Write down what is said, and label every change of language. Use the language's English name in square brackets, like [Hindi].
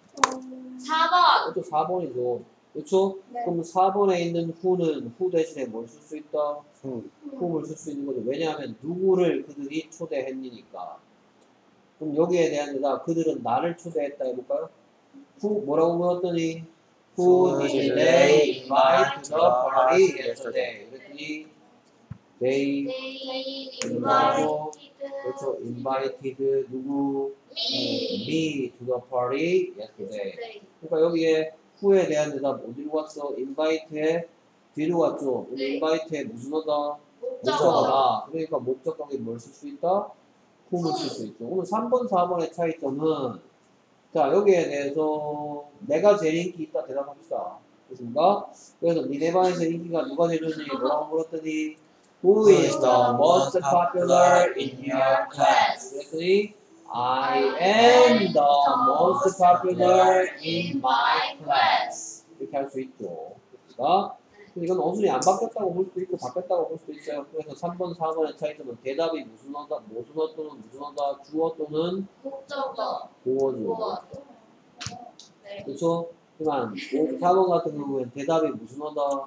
[Korean] 4번. 그쵸, 4번이죠. 그쵸? 네. 그럼 4번에 있는 who는 who 대신에 뭘 쓸 수 있다? whom을 쓸 수 있는 거죠. 왜냐하면 누구를 그들이 초대했니니까. 그럼 여기에 대한 데다 그들은 나를 초대했다 해볼까요? [English] who, [Korean] 뭐라고 물었더니 [English] who did they invite the party yesterday? [Korean] 그랬더니 [English] they invited. [Korean] 그렇죠. [English] Invited [Korean] 누구? [English] Me. Me to the party yesterday. [Korean] 그러니까 여기에 who에 대한 대답 어디로 갔어? Invite에 뒤로 갔죠. 네. Invite에 무슨 어다? 목적어다. 그러니까 목적어에 뭘 쓸 수 있다? Who를 쓸 수 있죠. 그럼 3번, 4번의 차이점은 자 여기에 대해서 내가 제일 인기 있다 대답합시다. 그렇습니까? 그래서 니네 반에서 인기가 누가 제일 좋은지 뭐라고 물었더니 [English] Who is the most popular in your class? 그랬더니 I am the most popular in my class. [Korean] 이렇게 할 수 있죠. 그러니까 이건 어순이 안 바뀌었다고 볼 수도 있고 바뀌었다고 볼 수도 있어요. 그래서 3번, 4번의 차이점은 대답이 무슨 어다, 무슨 어 또는 무슨 어다, 주어 또는 목적어, 보어죠. 그렇죠? 하지만 4번 같은 경우에는 대답이 무슨 어다,